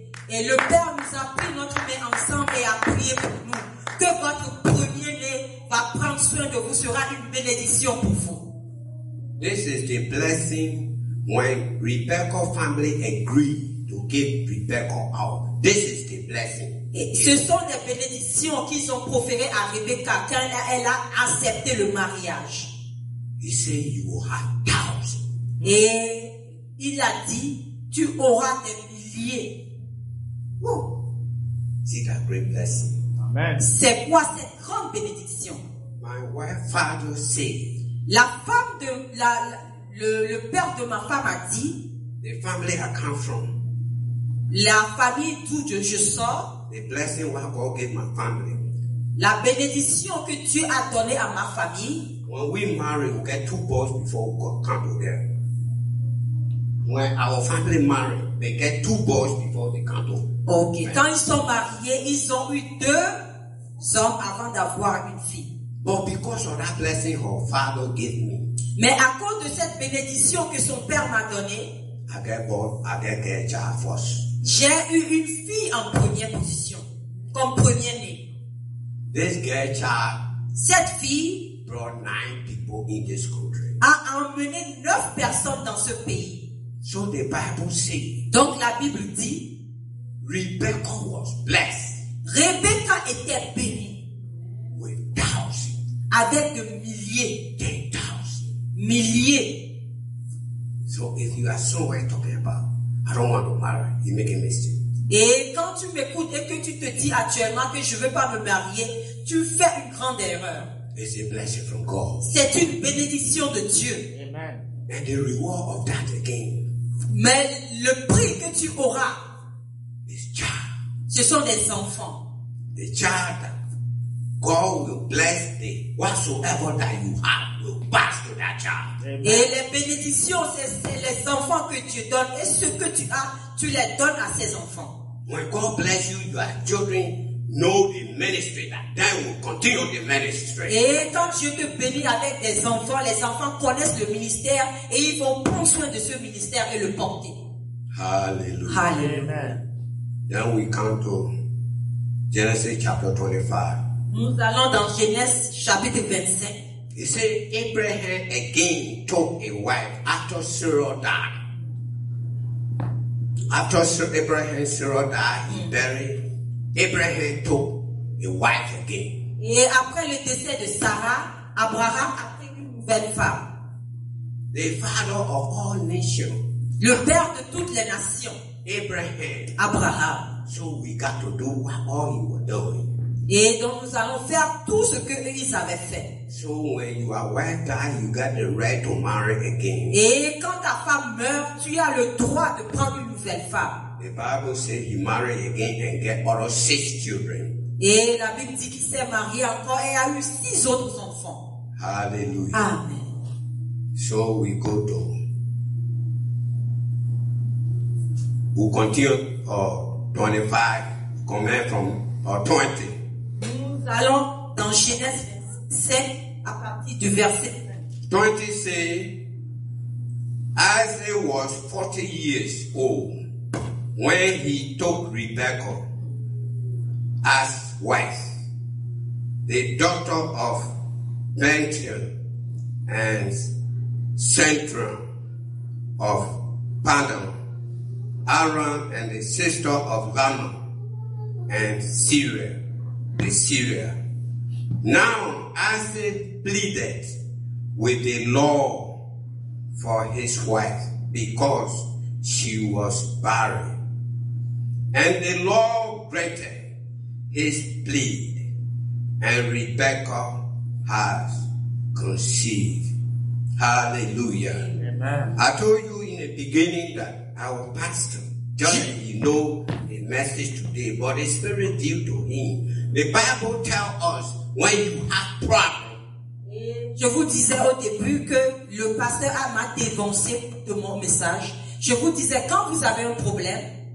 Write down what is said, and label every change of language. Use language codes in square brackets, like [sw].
[fr] Et le père nous a pris notre main ensemble et a prié pour nous. Que votre premier-né va prendre soin de vous sera une bénédiction pour vous. [en] This is the blessing when Rebecca family agreed to give Rebecca out. This is the blessing. [fr] Ce sont des bénédictions qu'ils ont proférées à Rebecca quand elle a accepté le mariage. [en] He said you will have thousands. [fr] Et il a dit, tu auras des milliers. C'est une grande blessing. Amen. C'est quoi cette grande bénédiction? [en] My wife father said. [fr] La femme de le père de ma femme a dit. [en] The family I come from. [fr] La famille d'où je sors. [en] The blessing what God gave my family. [fr] La bénédiction que Dieu a donnée à ma famille. [en] When we marry, we get two boys before we come to them. When our family marry, they get two boys before they come to. Okay. Right. [fr] Quand ils sont mariés, ils ont eu deux hommes avant d'avoir une fille. [en] But because of that blessing her father gave me. [fr] Mais à cause de cette bénédiction que son père m'a donnée. [en] I get child first. [fr] J'ai eu une fille en première position, comme premier né. [en] This girl child. [fr] Cette fille. [en] Brought 9 people in this country. [fr] A emmené 9 personnes dans ce pays. [en] So the Bible says. [fr] Donc la Bible dit. [en] Rebecca was blessed. [fr] Rebecca était bénie. [en] With thousands. [fr] Avec de milliers. [en] Ten thousand. [fr] Milliers. [en] So if you are sure what you're talking about, I don't want to marry. You make a mistake. [fr] Et quand tu m'écoutes et que tu te dis actuellement que je ne veux pas me marier, tu fais une grande erreur. [en] It's a blessing from God. [fr] C'est une bénédiction de Dieu. [en] Amen. And the reward of that again. [fr] Mais le prix que tu auras, [en] is child. [fr] Ce sont des enfants. [en] The child that God will bless the whatsoever that you have will pass to that child. Amen. [fr] Et les bénédictions, c'est les enfants que Dieu donne et ce que tu as, tu les donnes à ses enfants. [en] When God bless you, your children know the ministry that they will continue the ministry. [fr] Et quand Dieu te bénit avec des enfants connaissent le ministère et ils vont prendre soin de ce ministère et le porter. Hallelujah. Hallelujah. [en] Then we come to Genesis chapter 25. [fr] Nous allons dans Genèse chapitre 25. [en] He said, Abraham again took a wife after Sarah died. After Abraham and Sarah died, he buried. Abraham took a wife again. [fr] Et après le décès de Sarah, Abraham a pris une nouvelle femme. [en] The father of all nations. [fr] Le père de toutes les nations. Abraham. Abraham. [en] So we got to do what all you were doing. [fr] Et donc nous allons faire tout ce que ils avaient fait. [en] So when your wife dies, you got the right to marry again. [fr] Et quand ta femme meurt, tu as le droit de prendre une nouvelle femme. [en] The Bible says he married again and get other 6 children. [fr] Et la Bible dit qu'il s'est marié encore et a eu 6 autres enfants. Hallelujah. Amen. [en] So we go to. We continue 25, come from 20. [fr] Nous allons dans Genèse 7 à partir du verset [en] 20 says, Isaac was 40 years old when he took Rebecca as wife, the daughter of Bethuel and Cetron of Padan Aram and the sister of Lama and Syria, the Syria. Now Isaac pleaded with the Lord for his wife because she was barren. And the Lord granted his plea, and Rebecca has conceived. Hallelujah. Amen. I told you in the beginning that our pastor, just he know the message today, but it's very dear to him. The Bible tells us when you have problems. [fr] Je vous disais au début que le pasteur a m'a dévancé de mon message. Je vous disais quand vous avez un problème,